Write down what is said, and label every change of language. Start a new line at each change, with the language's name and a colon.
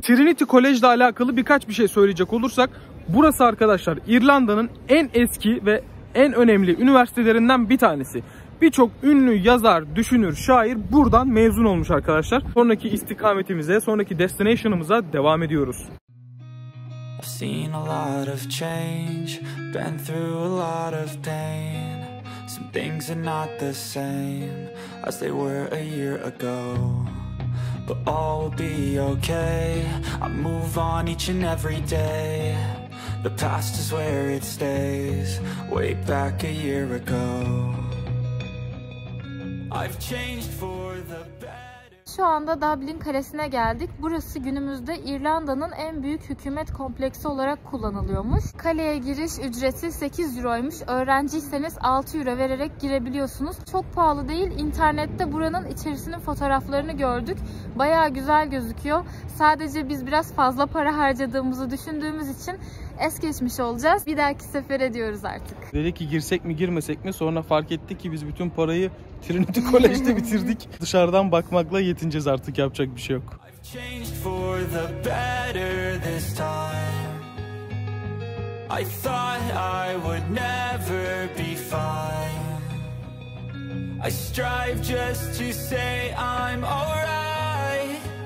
Turkish: Trinity College ile alakalı birkaç bir şey söyleyecek olursak burası arkadaşlar İrlanda'nın en eski ve en önemli üniversitelerinden bir tanesi. Birçok ünlü yazar, düşünür, şair buradan mezun olmuş arkadaşlar. Sonraki istikametimize, sonraki destination'ımıza devam ediyoruz.
English: I've seen a lot of change, been through a lot of pain. Some things are not the same as they were a year ago. But all will be okay, I move on each and every day. The past is where it stays, way back a year ago. I've changed for the better.
Turkish: Şu anda Dublin Kalesi'ne geldik. Burası günümüzde İrlanda'nın en büyük hükümet kompleksi olarak kullanılıyormuş. Kaleye giriş ücreti 8 euroymuş. Öğrenciyseniz 6 euro vererek girebiliyorsunuz. Çok pahalı değil. İnternette buranın içerisinin fotoğraflarını gördük. Bayağı güzel gözüküyor. Sadece biz biraz fazla para harcadığımızı düşündüğümüz için es geçmiş olacağız. Bir dahaki sefere diyoruz artık. Dedik ki girsek mi girmesek mi? Sonra fark ettik ki biz bütün parayı Trinity College'de bitirdik. Dışarıdan bakmakla yetineceğiz artık. Yapacak bir şey yok.
English: I've changed for the better this time. I thought I would never be fine. I strive just to say I'm alright.